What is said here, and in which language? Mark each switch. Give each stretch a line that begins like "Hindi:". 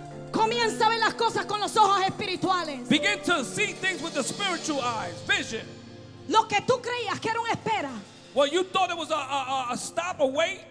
Spanish: Comienza a ver las cosas con los ojos espirituales.
English: Begin to see things with the spiritual eyes, vision.
Spanish: Lo que tú creías que era una espera.
English: What you thought it was a stop or wait.